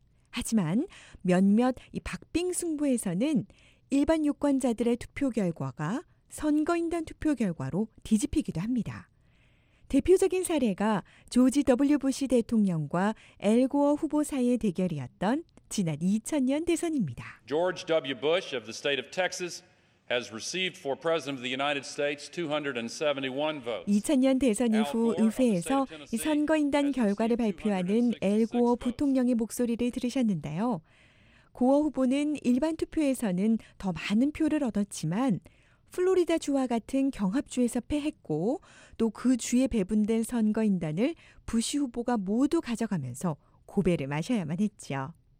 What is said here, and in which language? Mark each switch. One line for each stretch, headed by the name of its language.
Korean: 하지만 몇몇 이 박빙 승부에서는 일반 유권자들의 투표 결과가 선거인단 투표 결과로 뒤집히기도 합니다. 대표적인 사례가 조지 W. 부시 대통령과 엘고어 후보 사이의 대결이었던 지난 2000년 대선입니다.
English: George W. Bush of the state of Texas has received for president of the United States 271 votes.
Korean: 2000년 대선 이후 의회에서 이 선거인단 결과를 발표하는 엘고어 부통령의 목소리를 들으셨는데요. 고어 후보는 일반 투표에서는 더 많은 표를 얻었지만 플로리다 주와 같은 경합주에서 패했고 또 그 주에 배분된 선거인단을 부시 후보가 모두 가져가면서 고배를 마셔야만 했죠.